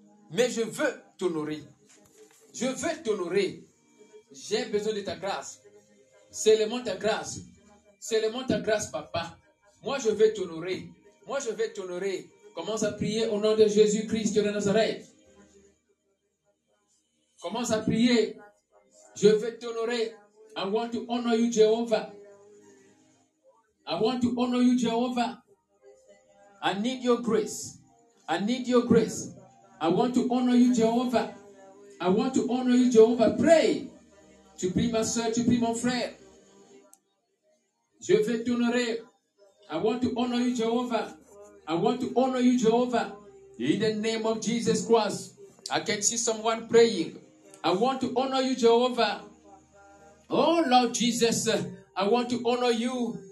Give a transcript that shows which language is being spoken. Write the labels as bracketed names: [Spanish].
[French] Mais je veux t'honorer. Je veux t'honorer. J'ai besoin de ta grâce. Seulement ta grâce. Seulement ta grâce, papa. Moi, je veux t'honorer. Moi, je veux t'honorer. Commence à prier au nom de Jésus-Christ de Nazareth. Commence à prier. Je veux t'honorer. [English] I want to honor you, Jehovah. I want to honor you, Jehovah. I need your grace. I need your grace. I want to honor you, Jehovah. I want to honor you, Jehovah. Pray. [French] Tu pries, ma soeur, tu pries, mon frère. Je veux t'honorer. [English] I want to honor you, Jehovah. I want to honor you, Jehovah. In the name of Jesus Christ, I can see someone praying. I want to honor you, Jehovah. Oh, Lord Jesus, I want to honor you.